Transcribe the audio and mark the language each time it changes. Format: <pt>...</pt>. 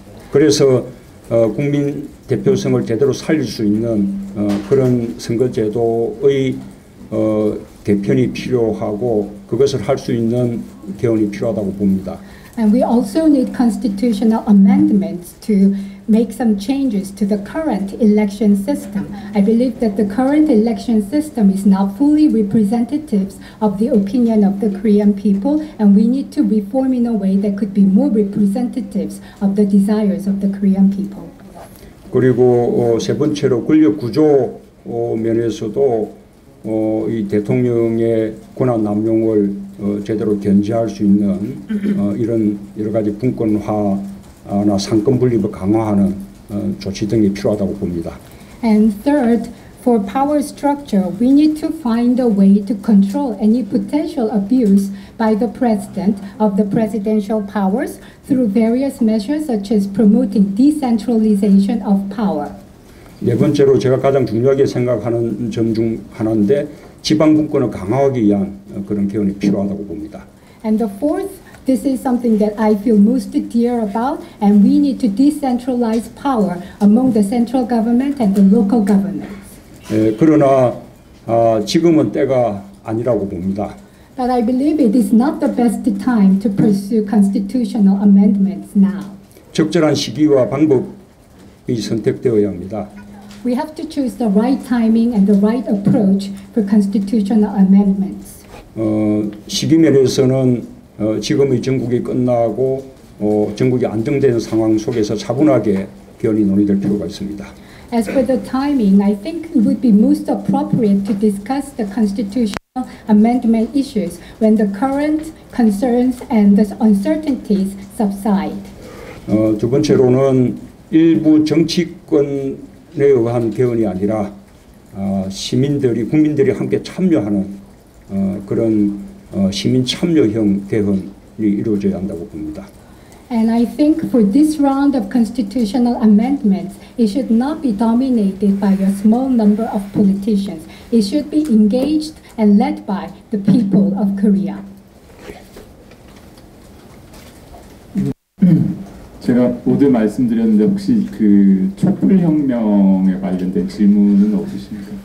<ko>그래서 국민 대표성을 제대로 살릴 수 있는 그런 선거제도의 개편이 필요하고 그것을 할 수 있는 개헌이 필요하다고 봅니다.</ko> <en>And we also need constitutional amendments to make some changes to the current election system. I believe that the current election system is not fully representative of the opinion of the Korean people, and we need to reform in a way that could be more representative of the desires of the Korean people.</en> <ko>그리고 세 번째로 권력 구조 면에서도 이 대통령의 권한 남용을 제대로 견제할 수 있는 이런 여러 가지 분권화나 삼권 분립을 강화하는 조치 등이 필요하다고 봅니다.</ko> <en>And third, for power structure, we need to find a way to control any potential abuse by the president of the presidential powers through various measures such as promoting decentralization of power.</en> <ko>네 번째로 제가 가장 중요하게 생각하는 점 중 하나인데 지방분권을 강화하기 위한 그런 개헌이 필요하다고 봅니다.</ko> <en>And the fourth, this is something that I feel most dear about, and we need to decentralize power among the central government and the local government.</en> <ko>그러나 지금은 때가 아니라고 봅니다.</ko> <en>But I believe it is not the best time to pursue constitutional amendments now.</en> <ko>적절한 시기와 방법이 선택되어야 합니다.</ko> <en>We have to choose the right timing and the right approach for constitutional amendments.</en> <ko>시기에 대해서는 지금의 전국이 끝나고 전국이 안정된 상황 속에서 차분하게 견인 논의될 필요가 있습니다.</ko> <en>As for the timing, I think it would be most appropriate to discuss the constitutional amendment issues when the current concerns and the uncertainties subside.</en> <ko>두 번째로는 일부 정치권에 의한 개헌이 아니라 시민들이, 국민들이 함께 참여하는 그런 시민 참여형 개헌이 이루어져야 한다고 봅니다.</ko> <en>And I think for this round of constitutional amendments, it should not be dominated by a small number of politicians. It should be engaged and led by the people of Korea.</en> <ko>제가 모두 말씀드렸는데 혁명에 혹시 그 촛불혁명에 관련된 질문은 없으십니까?</ko>